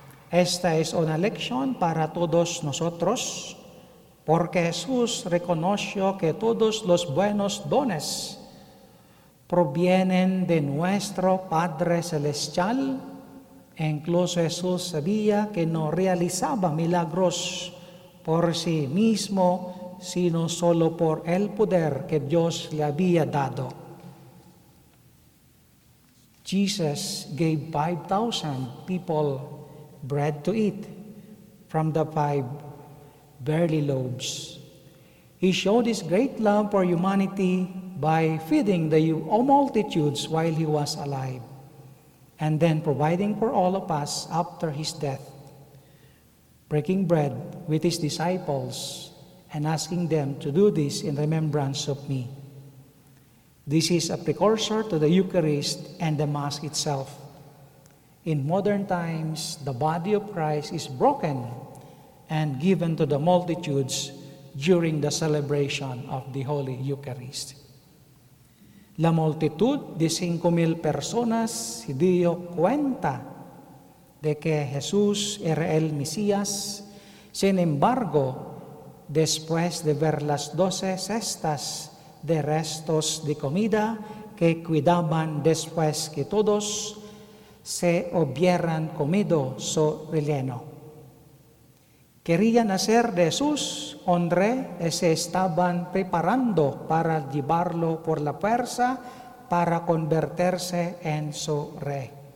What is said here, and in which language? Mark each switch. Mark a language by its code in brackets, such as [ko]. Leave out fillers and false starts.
[es] Esta es una lección para todos nosotros, porque Jesús reconoció que todos los buenos dones provienen de nuestro Padre Celestial. Incluso Jesús sabía que no realizaba milagros por sí mismo, sino solo por el poder que Dios le había dado. [en] Jesus gave 5,000 people bread to eat from the 5 barley loaves. He showed his great love for humanity by feeding the multitudes while he was alive, and then providing for all of us after his death, breaking bread with his disciples and asking them to do this in remembrance of me. This is a precursor to the Eucharist and the Mass itself. In modern times, the body of Christ is broken and given to the multitudes during the celebration of the Holy Eucharist. [es] La multitud de 5,000 personas se dio cuenta de que Jesús era el Mesías. Sin embargo, después de ver las 12 cestas de restos de comida que cuidaban después que todos se hubieran comido su relleno, querían hacer de Jesús un rey y se estaban preparando para llevarlo por la fuerza para convertirse en su rey.